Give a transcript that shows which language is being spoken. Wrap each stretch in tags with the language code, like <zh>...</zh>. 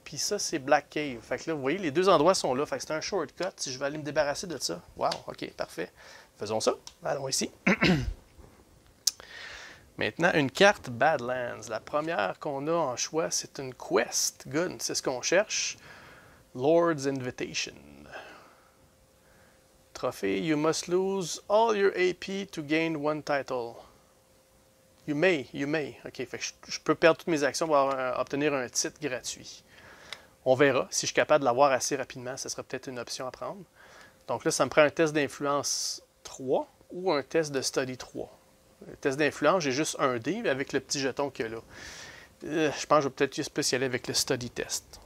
<fr>Puis ça, c'est Black Cave. Fait que là, vous voyez, les deux endroits sont là. Fait que c'est un shortcut si je veux aller me débarrasser de ça. Wow, ok, parfait. Faisons ça. Allons ici. Maintenant, une carte Badlands. La première qu'on a en choix, c'est une quest. Good, c'est ce qu'on cherche. Lord's Invitation.</fr> <en>Trophée, you must lose all your AP to gain one title. You may.</en> <fr>Ok, fait que je peux perdre toutes mes actions pour obtenir un titre gratuit. On verra. Si je suis capable de l'avoir assez rapidement, ce sera peut-être une option à prendre. Donc là, ça me prend un test d'influence 3 ou un test de study 3. Le test d'influence, j'ai juste un dé avec le petit jeton qu'il y a là. Je pense que je vais peut-être juste spécialiser avec le study test.</fr>